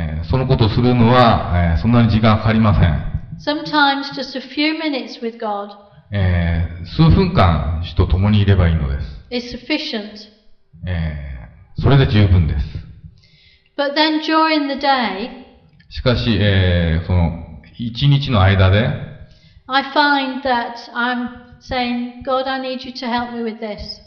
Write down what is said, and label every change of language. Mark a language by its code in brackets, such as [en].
[ja] そのことをするのは、そんなに時間かかりません。 [en] Sometimes just a few minutes with God. [ja] 数分間、主と共にいればいいのです。 [en] Is sufficient. [ja] それで十分です。 [en] But then during the day, [ja] しかし、その、一日の間で、 [en] I find that I'm saying, God, I need you to help me with this.